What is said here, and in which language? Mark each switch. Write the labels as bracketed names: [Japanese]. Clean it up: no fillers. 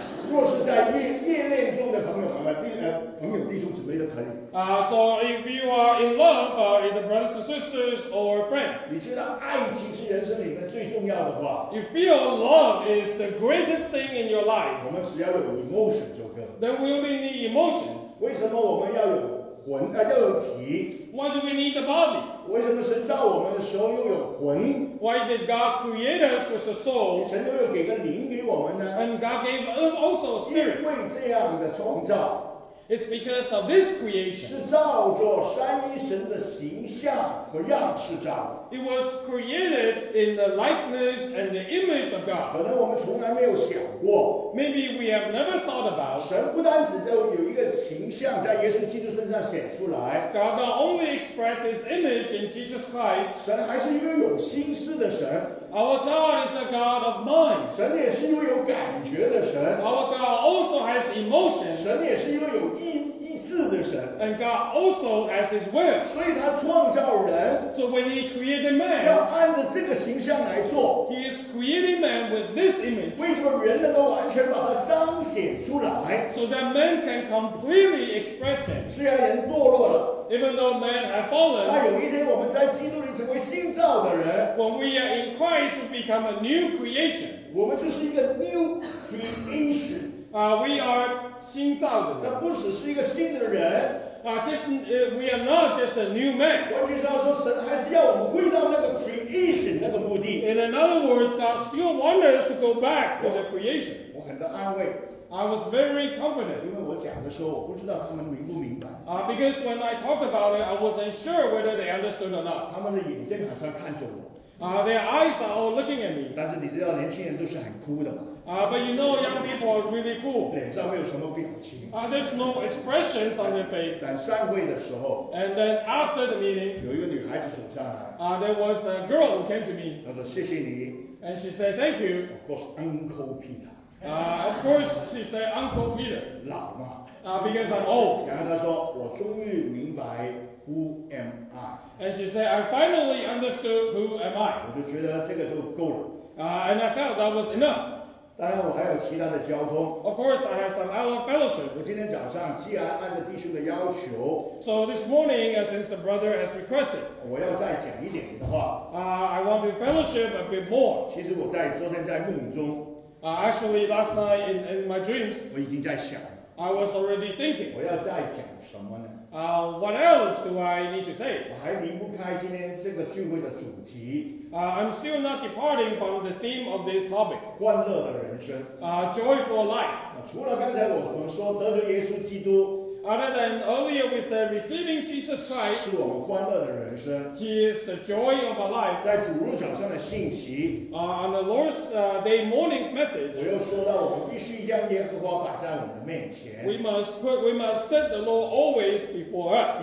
[Chinese] 若是在业恋中的朋友们，朋友弟兄姊妹都可以。 [English] So if you are in love, either brothers or sisters or friends, [Chinese] 你知道爱情是人生里面最重要的话。 [English] You feel love is the greatest thing in your life. [Chinese] 我们只要有 emotion 就够了。 [English] Then we only need emotion. [Chinese] 为什么我们要有？魂啊，要有体。 [English] Why do we need the body? [Chinese] 为什么神造我们的时候又有魂 [English] ？Why did God create us with a soul? [Chinese] 神又有给个灵给我们呢 [English] ？And God gave us also a spirit. [Chinese] 因为这样的创造 [English] ，It's because of this creation. [Chinese] 是造作三一神的形象和样式造。 [English] It was created in the likeness and the image of God. [Chinese] 可能我们从来没有想过。 [English] Maybe we have never thought about. [Chinese] 神不单只有一个形象在耶稣基督身上显出来。 [English] God not only expressed His image in Jesus Christ. [Chinese] 神还是一个有心思的神。 [English] Our God is a God of mind. [Chinese] 神也是一个有感觉的神。 [English] Our God also has emotions. [Chinese] 神也是一个有意志的神。 [English] And God also has His will. [Chinese] 所以他创造人。 [English] So when He created man. [Chinese] 要按照这个形象来做。 [English] He is creating man with this image. [Chinese] 为什么人能够完全把它彰显出来 [English] ？So that man can completely express Him. [Chinese] 虽然人堕落了。 [English] Even though man has fallen. [Chinese] 但有一天我们在基督里成为新造的人。 [English] When we are in Christ, we become a new creation. [Chinese] 我们就是一个 [English] new creation. We are [Chinese] 新造的人。但不只是一个新的人。 [English] We are not just a new man. [Chinese] 换句话说，神还是要我们回到那个 creation 那个目的。 [English] In other words, God still wants us to go back to the creation. [Chinese] 我很很多安慰。 [English] I was very confident. [Chinese] 因为我讲的时候，我不知道他们明不明白。 [English] Because when I talk about it, I wasn't sure whether they understood or not. [Chinese] 他们的眼睛好像看着我。 [English] Their eyes are all looking at me. [Chinese] 但是你知道，年轻人都是很哭的嘛。 [English] But you know, young people are really cool. [Chinese] 脸上没有什么表情。 [English] There's no expressions on their face. [Chinese] 在散会的时候。 [English] And then after the meeting. [Chinese] 有一个女孩子走上来。 [English] There was a girl who came to me. [Chinese] 她说谢谢你。 [English] And she said thank you. Of course, Uncle Peter. Of course, she said, Uncle Peter. [Chinese] 老嘛。 [English] Because I'm old. [Chinese] 然后她说，我终于明白 [English] who am I. And she said, I finally understood who am I. [Chinese] 我就觉得这个就够了。 [English] And I felt that was enough. [Chinese] 当然我还有其他的交通。 [English] Of course, I have some other fellowship. [Chinese] 我今天早上既然按照弟兄的要求。 [English] So this morning, since the brother has requested. [Chinese] 我要再讲一点的话。 [English] I want to fellowship a bit more. [Chinese] 其实我在昨天在梦中。 [English] Actually, last night in my dreams, [Chinese] 我已经在想, [English] I was already thinking, [Chinese] 我要再讲什么呢? [English] What else do I need to say? [Chinese] 我还离不开今天这个聚会的主题, [English] I'm still not departing from the theme of this topic, [Chinese] 欢乐的人生, [English] joyful life. [Chinese] 除了刚才我们说得着耶稣基督, [English] other than earlier we said receiving Jesus Christ, [Chinese] 是我们欢乐的人生, [English] He is the joy of our life. [Chinese] 在主日早上的信息, [English] on the Lord's day morning's message, [Chinese] 我又说到我们必须将耶和华摆在我们的面前, [English] we must set the Lord always before us.